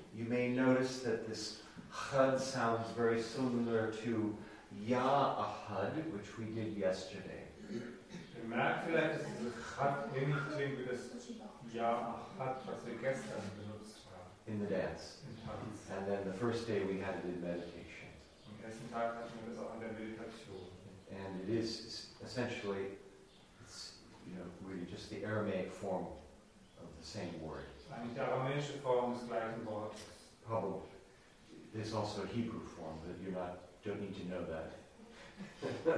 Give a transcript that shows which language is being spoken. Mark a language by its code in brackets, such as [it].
[en] You may notice that this Had sounds very similar to Ya Ahad, which we did yesterday. [de] Ihr merkt vielleicht, dass diese Chad ähnlich klingt wie das Ja-Achad, was wir gestern benutzt haben. [en] In the dance. [de] In Tanz. [en] And then the first day we had it in meditation. [de] Am ersten Tag hatten wir das auch in der Meditation. [en] And it is essentially, it's, you know, really just the Aramaic form of the same word. [de] Eigentlich die aramäische Form des gleichen Wortes. [en] Probably. There's also a Hebrew form, but you don't need to know that.